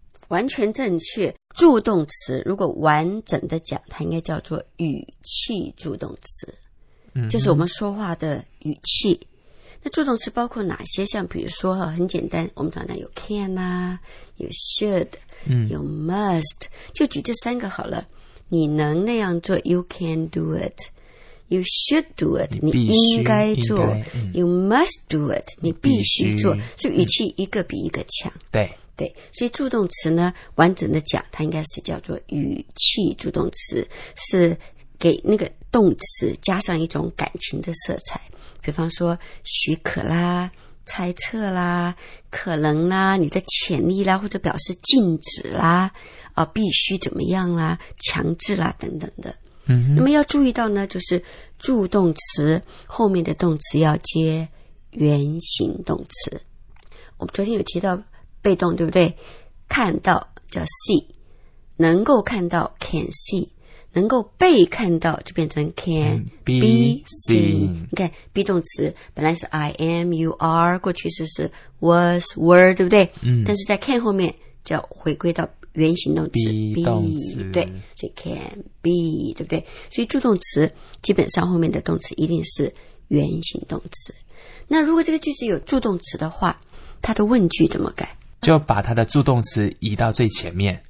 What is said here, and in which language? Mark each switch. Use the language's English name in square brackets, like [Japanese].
[Chinese] 完全正确，助动词如果完整的讲，它应该叫做语气助动词。嗯。就是我们说话的语气。那助动词包括哪些？像比如说很简单，我们常常有 can 啊，有 should，有 must， 就举这三个好了。你能那样做 [English] you can do it， you should do it， [Chinese] 你应该做应该， [English] you must do it， [Chinese] 你必须做，是语气一个比一个强。对对，所以助动词呢完整的讲它应该是叫做语气助动词，是给那个动词加上一种感情的色彩，比方说许可啦，猜测啦，可能啦，你的潜力啦，或者表示禁止啦，必须怎么样啦，强制啦等等的。嗯。那么要注意到呢，就是助动词后面的动词要接原形动词。我们昨天有提到被动，对不对？看到叫 see， 能够看到 [English] can see。 [Chinese] 能够被看到就变成 can [English] be [Chinese] seen。 你看 be 动词本来是 [English] I am, you are， [Chinese] 过去式是 was, were， 对不对？嗯。但是在 can 后面就要回归到原形动词 be 动词，对，所以 [English] can be， [Chinese] 对不对？所以助动词基本上后面的动词一定是原形动词。那如果这个句子有助动词的话，它的问句怎么改？就把它的助动词移到最前面。